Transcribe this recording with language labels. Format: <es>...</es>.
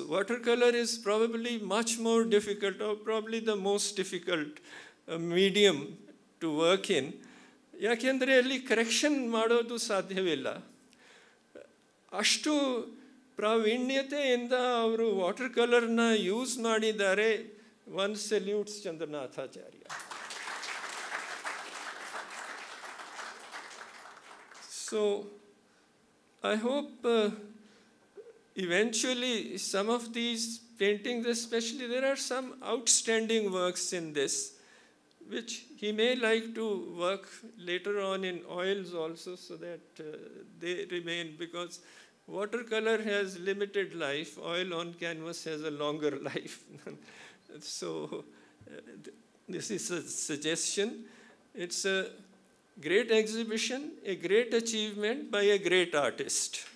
<en>Watercolor is probably much more difficult, or probably the most difficult medium to work in.</en> <kn>ಯಾಕೆಂದರೆ ಅಲ್ಲಿ correction ಮಾಡೋದು ಸಾಧ್ಯವಿಲ್ಲ, ಅಷ್ಟು ಪ್ರಾವೀಣ್ಯತೆಯಿಂದ ಅವರು ವಾಟರ್ ಕಲರ್ನ ಯೂಸ್ ಮಾಡಿದ್ದಾರೆ.</kn> <en>One salutes Chandranathacharya. So I hope eventually some of these paintings, especially there are some outstanding works in this which he may like to work later on in oils also, so that they remain, because water color has limited life, oil on canvas has a longer life. So this is a suggestion. It's a great exhibition, a great achievement by a great artist.</en>